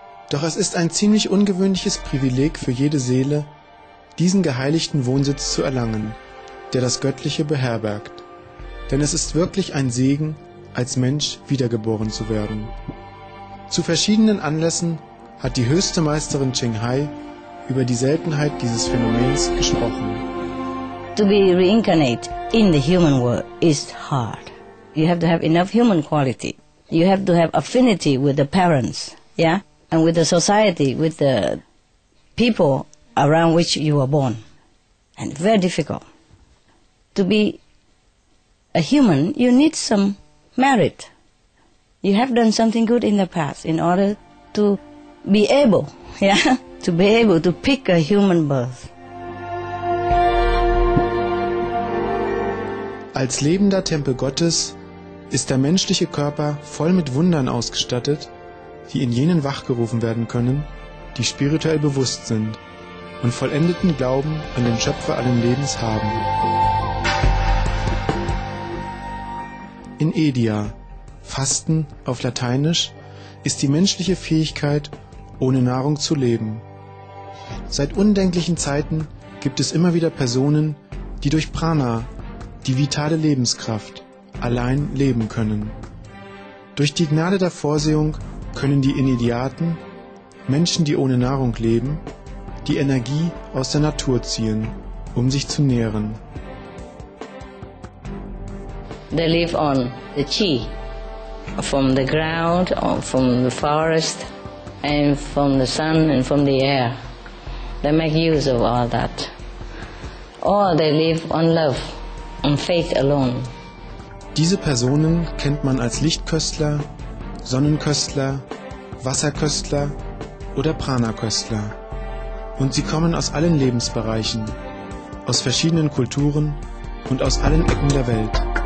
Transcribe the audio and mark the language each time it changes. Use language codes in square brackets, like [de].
[de] Doch es ist ein ziemlich ungewöhnliches Privileg für jede Seele, diesen geheiligten Wohnsitz zu erlangen, der das Göttliche beherbergt. Denn es ist wirklich ein Segen, als Mensch wiedergeboren zu werden. Zu verschiedenen Anlässen hat die höchste Meisterin Ching Hai über die Seltenheit dieses Phänomens gesprochen. [en] To be reincarnate in the human world is hard. You have to have enough human quality. You have to have affinity with the parents, yeah? And with the society, with the people around which you were born. And very difficult. To be a human, you need some merit. You have done something good in the past in order to be able, yeah? To be able to pick a human birth. [de] Als lebender Tempel Gottes ist der menschliche Körper voll mit Wundern ausgestattet, die in jenen wachgerufen werden können, die spirituell bewusst sind und vollendeten Glauben an den Schöpfer allen Lebens haben. In Edia, Fasten auf Lateinisch, ist die menschliche Fähigkeit, ohne Nahrung zu leben. Seit undenklichen Zeiten gibt es immer wieder Personen, die durch Prana, die vitale Lebenskraft, allein leben können. Durch die Gnade der Vorsehung können die Inidiaten, Menschen, die ohne Nahrung leben, die Energie aus der Natur ziehen, um sich zu nähren. [en] They live on the chi, from the ground, from the forest, and from the sun and from the air. They make use of all that. Or they live on love, on faith alone. [de] Diese Personen kennt man als Lichtköstler, Sonnenköstler, Wasserköstler oder Prana-Köstler. Und sie kommen aus allen Lebensbereichen, aus verschiedenen Kulturen und aus allen Ecken der Welt.